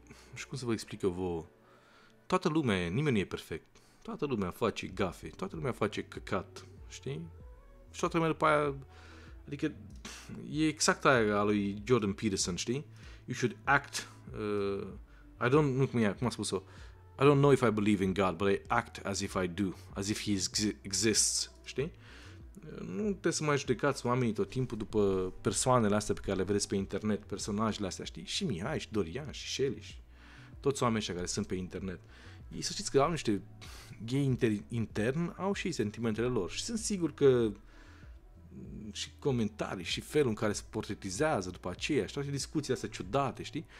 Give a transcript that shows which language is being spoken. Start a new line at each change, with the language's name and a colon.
Romanian: Nu știu cum să vă explic eu vouă. Toată lumea, nimeni nu e perfect. Toată lumea face gafe, toată lumea face căcat, știi? Și toată lumea după aia, adică e exact aia a lui Jordan Peterson, știi?
English: You should act, I don't know if I believe in God, but I act as if I do, as if he exists, știi?
Romanian: Nu trebuie să mai judecați oamenii tot timpul după persoanele astea pe care le vedeți pe internet, personajele astea, știi? Și Mihai, și Dorian, și Shelley, și toți oamenii ăștia care sunt pe internet. Ei, să știți că au niște gay intern, au și ei sentimentele lor și sunt sigur că și comentarii și felul în care se portretizează după aceea și toate discuțiile astea ciudate, știi?